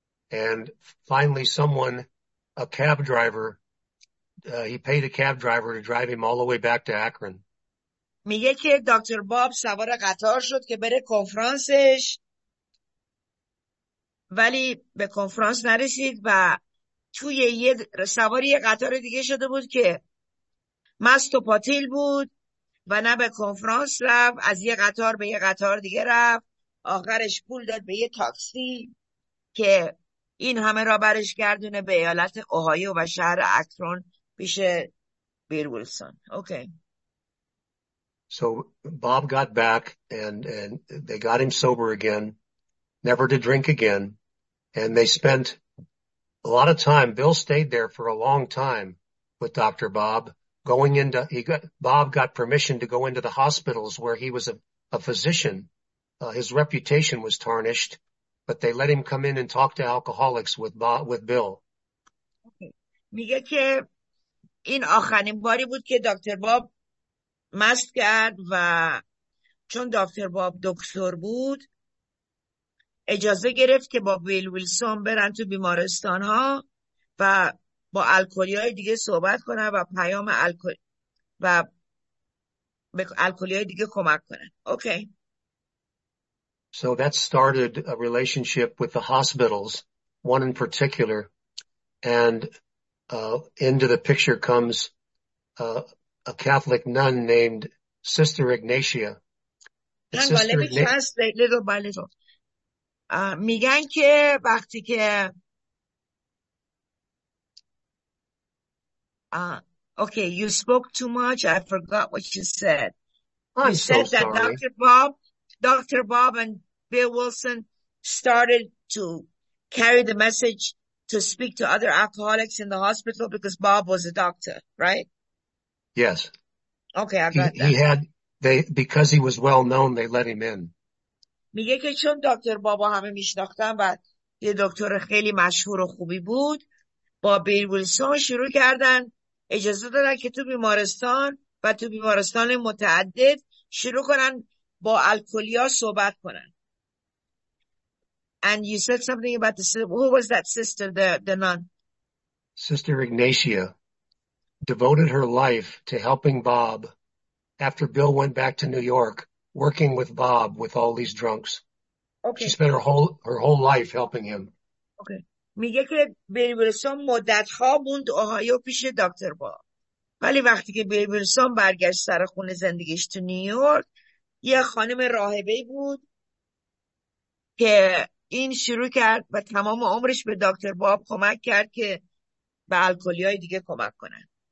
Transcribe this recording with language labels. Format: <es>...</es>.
<en>And finally someone, a cab driver, he paid a cab driver to drive him all the way back to Akron.</en> <fa>میگه که دکتر باب سوار قطار شد که بره کنفرانسش، ولی به کنفرانس نرسید و توی یه سوار یه قطار دیگه شده بود که مست و پاتیل بود و نه به کنفرانس رفت، از یه قطار به یه قطار دیگه رفت، آخرش پول داد به یه تاکسی که این همه را برش گردونه به ایالت اوهایو و شهر اکرون پیش بیل ویلسون. اوکی.</fa> <en>So Bob got back and they got him sober again, never to drink again. And they spent a lot of time. Bill stayed there for a long time with Dr. Bob going into, Bob got permission to go into the hospitals where he was a physician. His reputation was tarnished, but they let him come in and talk to alcoholics with Bob, with Bill. Okay.</en> <fa>میگه که این آخرین باری بود که دکتر باب مست کرد و چون دکتر باب دکتر بود اجازه گرفت که با ویل ویلسون برن تو بیمارستان ها و با الکلی های دیگه صحبت کنه و پیام الکل و به الکلی های دیگه کمک کنه. اوکی.</fa> <en>So that started a relationship with the hospitals, one in particular, and into the picture comes a Catholic nun named Sister Ignatia. Hang on, let me translate little by little.</en> <fa>میگن که وقتی که</fa> <en>okay, you spoke too much. I forgot what you said. I'm you said so that sorry. Dr. Bob and Bill Wilson started to carry the message to speak to other alcoholics in the hospital because Bob was a doctor, right? Yes. Okay, I got that. He had, they because he was well known, they let him in.</en> <fa>میگه که چون دکتر بابا همه میشناختن و یه دکتر خیلی مشهور و خوبی بود، با بیل ویلسون شروع کردن، اجازه دادن که تو بیمارستان و تو بیمارستان متعدد شروع کنن با الکلیا صحبت کنن.</fa> <en>And you said something about the sister. Who was that sister, the nun? Sister Ignatia devoted her life to helping Bob after Bill went back to New York, working with Bob with all these drunks. Okay. She spent her whole life helping him. Okay.</en> <fa>میگه که بیل ویلسون مدت ها موند اوهایو پیش دکتر باب. ولی وقتی که بیل ویلسون برگشت سر خونه زندگیش تو نیویورک، یه خانم راهبه بود که این شروع کرد و تمام عمرش به دکتر باب کمک کرد که به الکلی های دیگه کمک کنن.</fa>